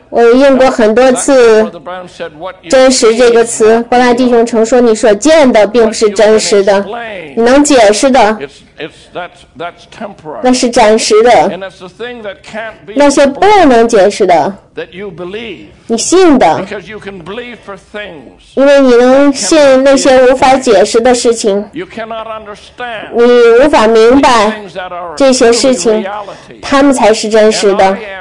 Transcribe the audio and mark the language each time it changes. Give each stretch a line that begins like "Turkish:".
Chinese: 我用过很多次真实这个词。伯兰弟兄曾说，你所见的并不是真实的，你能解释的
English: that's temporary.
Chinese: 那是暂时的。
English: And it's the thing that can't be.
Chinese: 那些不能解释的。
English: That you believe.
Chinese: 你信的。
English: Because you can believe for things.
Chinese: 因为你能信那些无法解释的事情。
English: You cannot understand.
Chinese: 你无法明白这些事情，他们才是真实的。